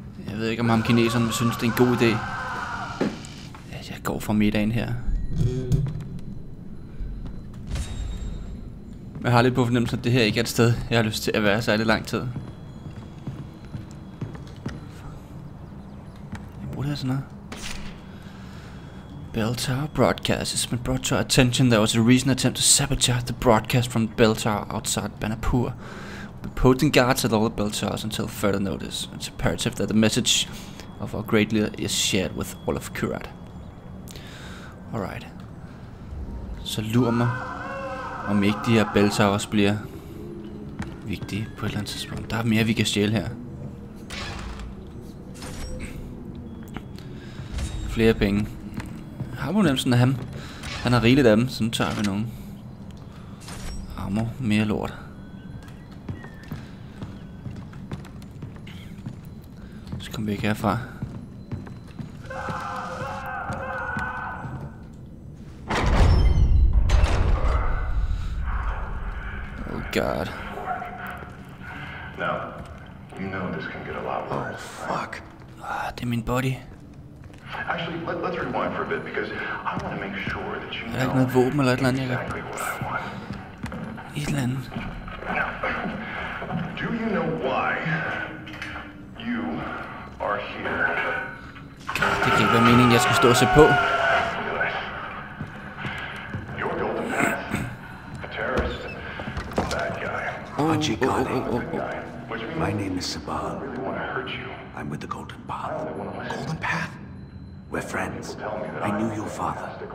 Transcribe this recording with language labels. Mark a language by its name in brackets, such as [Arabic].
[Danish] Jeg ved ikke om ham kineserne synes det er en god idé. Jeg går for middagen her. Jeg har lidt på fornemmelsen at det her ikke er et sted jeg har lyst til at være særlig lang tid. Jeg bruger det her sådan noget. [English] Bell Tower broadcast has been brought to our attention. There was a recent attempt to sabotage the broadcast from Bell Tower outside Banapur. We put in guards at all the Bell Towers until further notice. It's imperative that the message of our great leader is shared with all of Kurat. Alright. [Danish] Så lur mig, om ikke de her Bell Towers bliver vigtige på et eller andet tidspunkt. Der er mere vi kan stjæle her. Flere penge. Har man nemlig sådan ham? Han har rigeligt af dem, så nu tager vi nogen. Ammo, mere lort. Så kommer vi ikke herfra. [English] Oh god. Now, you know this can get a lot worse. Oh fuck. [Danish] Ah, det er min buddy. [English] Let's rewind for a bit because I want to make sure that you know. [Danish] Er der noget våben eller et eller andet, jeg kan... [English] exactly [Danish] et eller andet. [English] Now, do you know why you are here? [Danish] God, det kan ikke være meningen, jeg skulle stå og se på. [English] You're the man, a terrorist, a bad guy. My name is Saban. I really want to hurt you. I'm with the Golden Path. Golden Path. We're friends. I knew your father.